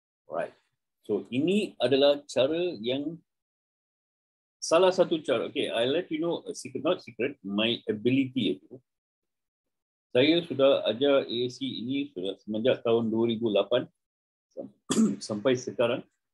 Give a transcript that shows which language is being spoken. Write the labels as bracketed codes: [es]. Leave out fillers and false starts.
[en] Right. [ms] So ini adalah cara yang salah satu cara. [en] Okay, I let you know a secret, not secret, my ability. [ms] Saya sudah ajar aSc ini sudah semenjak tahun 2008 sampai sekarang.